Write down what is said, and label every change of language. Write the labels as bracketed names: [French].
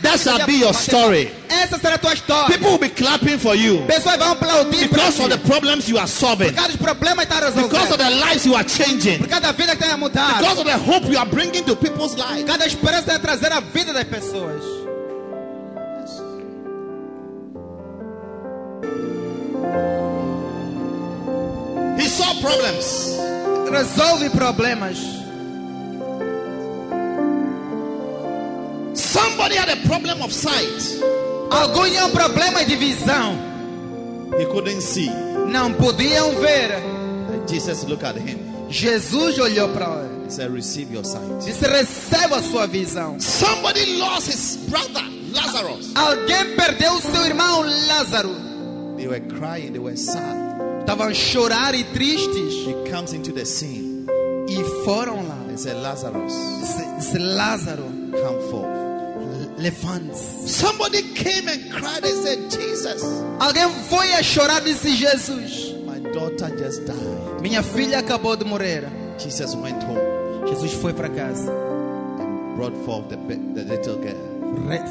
[English] That shall be your story. [Portuguese] Essa será tua história. [English] People will be clapping for you. [Portuguese] Pessoas vão aplaudir [English] because of the problems you are solving. [Portuguese] Por causa dos problemas que está resolvendo. [English] Because of the lives you are changing. [Portuguese] Por causa da vida que está a mudar. [English] Because of the hope you are bringing to people's lives. [Portuguese] Por causa da esperança que está a trazer a vida das pessoas. [English] Problems. [Portuguese] Resolve problemas. [English] Somebody had a problem of sight. [Portuguese] Alguém tinha problema de visão. [English] He couldn't see. [Portuguese] Não podiam ver. [English] Jesus looked at him. [Portuguese] Jesus olhou para ele. [English] He said, "Receive your sight." [Portuguese] Disse, receba a sua visão. [English] Somebody lost his brother Lazarus. [Portuguese] Alguém perdeu seu irmão Lázaro. [English] They were crying. They were sad. [Portuguese] Estavam chorar e tristes. [English] He comes into the scene. [Portuguese] E foram lá. [English] He said, Lazarus. [Portuguese] Disse, Lázaro. [English] Come forth. [Portuguese] Levante. [English] Somebody came and cried and said, Jesus. [Portuguese] Alguém foi a chorar e disse, Jesus. [English] My daughter just died. [Portuguese] Minha filha acabou de morrer. [English] Jesus went home. [Portuguese] Jesus foi para casa. [English] And brought forth the little girl.